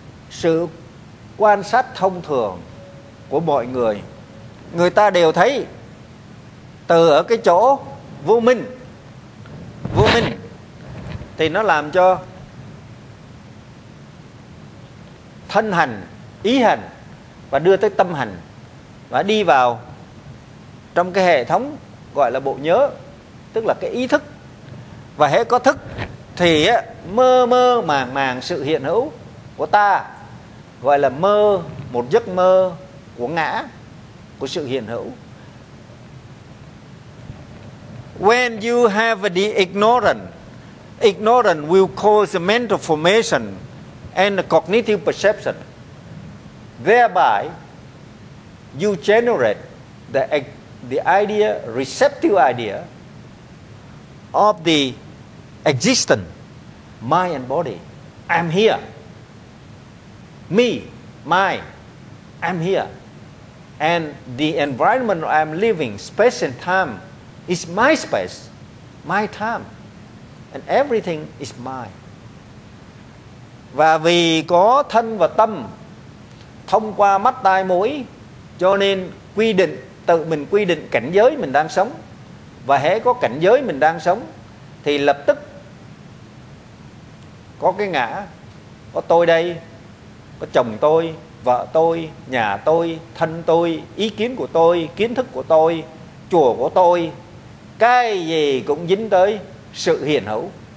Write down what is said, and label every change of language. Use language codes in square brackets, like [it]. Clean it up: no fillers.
[vi] Sự quan sát thông thường của mọi người, người ta đều thấy từ ở cái chỗ vô minh thì nó làm cho thân hành, ý hành và đưa tới tâm hành và đi vào trong cái hệ thống gọi là bộ nhớ, tức là cái ý thức. Và hễ có thức thì mơ mơ màng màng sự hiện hữu của ta, gọi là mơ, một giấc mơ của ngã, của sự hiện hữu. [en] When you have the ignorance will cause the mental formation and the cognitive perception. Thereby, you generate the idea, receptive idea of the existent mind and body. I'm here. Me, my, I'm here. And the environment I'm living, space and time, is my space, my time. And everything is mine. [vi] Và vì có thân và tâm thông qua mắt tai mũi, cho nên quy định, tự mình quy định cảnh giới mình đang sống. Và hễ có cảnh giới mình đang sống thì lập tức có cái ngã, có tôi đây, có chồng tôi, vợ tôi, nhà tôi, thân tôi, ý kiến của tôi, kiến thức của tôi, chùa của tôi, cái gì cũng dính tới sự hiện hữu.